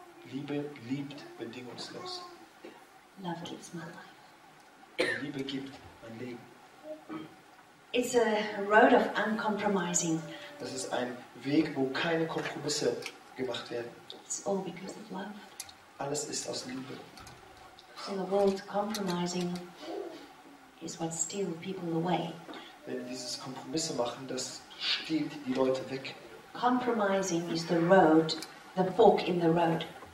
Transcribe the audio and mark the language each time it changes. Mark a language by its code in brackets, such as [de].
[de] Liebe liebt bedingungslos. [en] Love gives my life. [de] Liebe gibt mein Leben. [en] It's a road of uncompromising. [de] Das ist ein Weg, wo keine Kompromisse gemacht werden. [en] It's all because of love. [de] Alles ist aus Liebe. [en] So the world compromising is what steals people away. [de] Wenn dieses Kompromisse machen, das stiehlt die Leute weg. [en] Compromising is the road, the fork in the road.